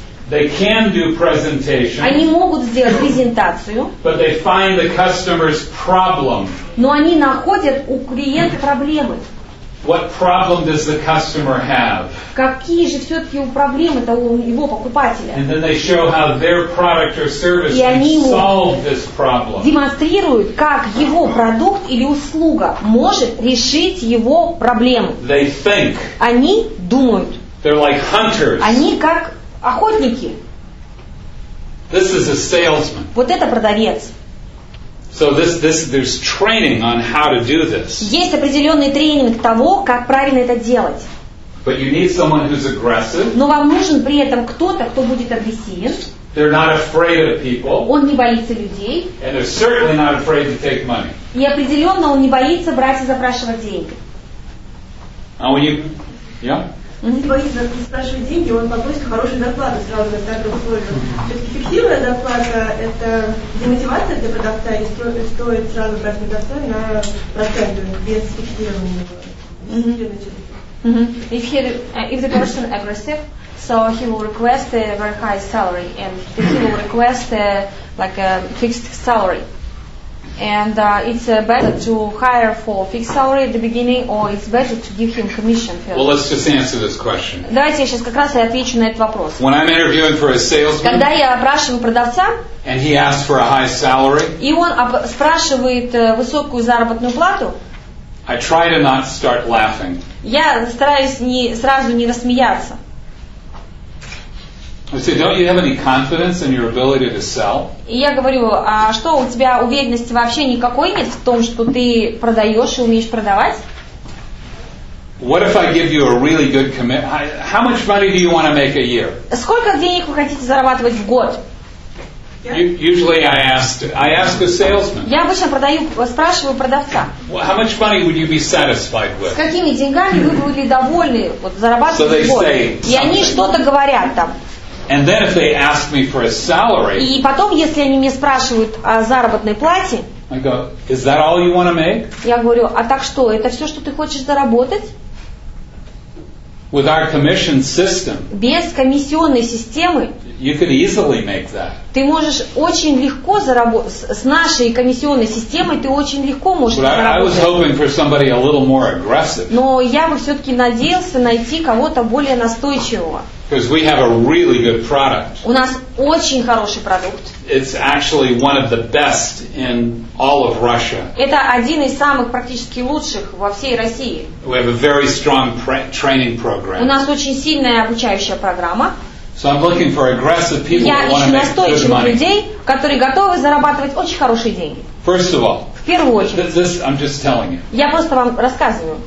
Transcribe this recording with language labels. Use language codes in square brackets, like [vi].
[en] They can do presentation. [ru] Они могут сделать презентацию. [en] But they find the customer's problem. [ru] Но они находят у клиента проблемы. [en] What problem does the customer have? [ru] Какие же все-таки у проблемы того его покупателя? [en] And then they show how their product or service can solve this problem. [ru] Демонстрируют, как его продукт или услуга может решить его проблему. [en] They think. [ru] Они думают. [en] They're like hunters. [ru] Они как охотники. [en] This is a salesman. [ru] Вот это продавец. [en] So this there's training on how to do this. [ru] Есть определенный тренинг того, как правильно это делать. [en] But you need someone who's aggressive. [ru] Но вам нужен при этом кто-то, кто будет агрессивен. [en] They're not afraid of people. [ru] Он не боится людей. [en] And they're certainly not afraid to take money. [ru] И определенно он не боится брать и запрашивать деньги. А у них, я? Он не боится запрашивать деньги, он попросит хорошую зарплату сразу на стартовых условиях. Все-таки фиксированная зарплата – это демотивация для продавца, или стоит сразу брать продавца на проценты без фиксированного? Mm-hmm. [en] If the person aggressive, so he will request a very high salary, and he will request a fixed salary. And it's better to hire for fixed salary at the beginning, or it's better to give him commission first. Well, let's just answer this question. [ru] Давайте я сейчас как раз и отвечу на этот вопрос. [en] When I'm interviewing for a salesman, [ru] когда я опрашиваю продавца, [en] and he asks for a high salary, [ru] и он спрашивает высокую заработную плату. [en] I try to not start laughing. [ru] Я стараюсь не сразу не рассмеяться. [en] I say, don't you have any confidence in your ability to sell? [ru] И я говорю, а что у тебя уверенности вообще никакой нет в том, что ты продаешь и умеешь продавать? [en] What if I give you a really good commit? How much money do you want to make a year? [ru] Сколько денег вы хотите зарабатывать в год? [en] Yeah. Usually I ask a salesman. [ru] Я обычно спрашиваю продавца. [en] Well, how much money would you be satisfied with? [ru] С какими деньгами вы были довольны зарабатывать? [en] So they [ru] год. [en] Say. [ru] И они что-то говорят там. [en] And then if they ask me for a salary. [ru] И потом, если они мне спрашивают о заработной плате. [en] I go, is that all you want to make? [ru] Я говорю, а так что? Это все, что ты хочешь заработать? [en] With our commission system. [ru] Без комиссионной системы. [en] You could easily make that. [ru] Ты можешь очень легко заработать с нашей комиссионной системой. Ты очень легко можешь заработать. [en] But I was hoping for somebody a little more aggressive. [ru] Но я бы все-таки надеялся найти кого-то более настойчивого. [en] Because we have a really good product. [ru] У нас очень хороший продукт. [en] It's actually one of the best in all of Russia. [ru] Это один из самых практически лучших во всей России. [en] We have a very strong training program. [ru] У нас очень сильная обучающая программа. [en] So I'm looking for aggressive people who want to make good money. [ru] Я ищу настойчивых людей, которые готовы зарабатывать очень хорошие деньги. [en] First of all. [ru] В первую очередь. [en] This I'm just telling you. [ru] Я просто вам рассказываю.